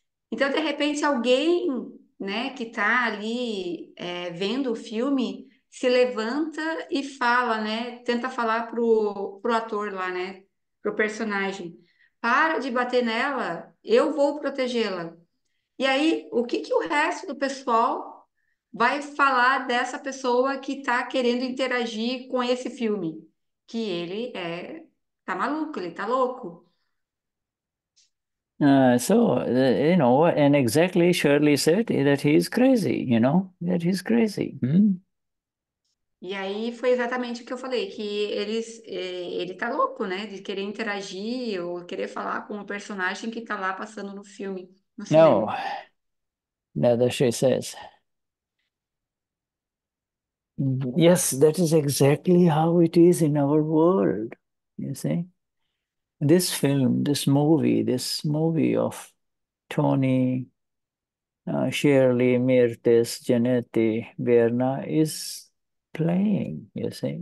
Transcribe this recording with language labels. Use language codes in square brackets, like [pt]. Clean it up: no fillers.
[pt] Então, de repente, alguém, né, que está ali vendo o filme se levanta e fala, né, tenta falar pro ator lá, né, pro personagem: para de bater nela, eu vou protegê-la. E aí, o que que o resto do pessoal vai falar dessa pessoa que está querendo interagir com esse filme? Que ele tá maluco, ele tá louco. [en] And exactly Shirley said that he's crazy, that he's crazy. [pt] E aí foi exatamente o que eu falei, que ele tá louco, né, de querer interagir ou querer falar com o personagem que tá lá passando no filme, no cinema. [en] No, that she says. Yes, that is exactly how it is in our world, you see. This movie of Tony, Shirley, Mirtes, Janetti, Verna is playing, you see.